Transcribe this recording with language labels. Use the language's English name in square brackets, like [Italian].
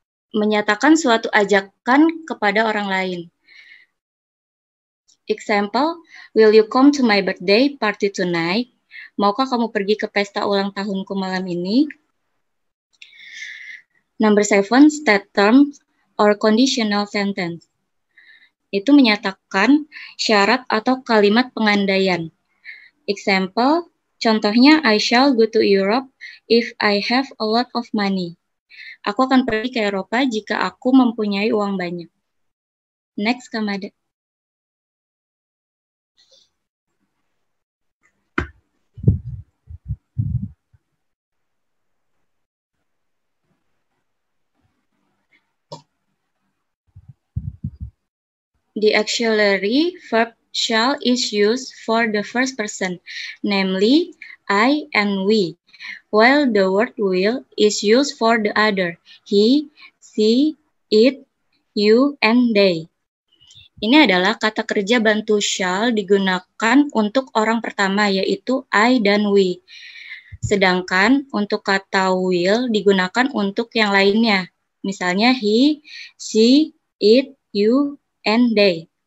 [Indonesian] Menyatakan suatu ajakan kepada orang lain. [English] Example, will you come to my birthday party tonight? [Indonesian] Maukah kamu pergi ke pesta ulang tahunku malam ini? [English] Number seven, state term or conditional sentence. [Indonesian] Itu menyatakan syarat atau kalimat pengandaian. [English] Example, contohnya, I shall go to Europe if I have a lot of money. [Indonesian] Aku akan pergi ke Eropa jika aku mempunyai uang banyak. [English] Next, Kamada. The auxiliary verb shall is used for the first person, namely I and we, while the word will is used for the other, he, she, it, you, and they. [Indonesian] Ini adalah kata kerja bantu shall digunakan untuk orang pertama, yaitu I dan we. Sedangkan untuk kata will digunakan untuk yang lainnya, misalnya [English] he, she, it, you, and they.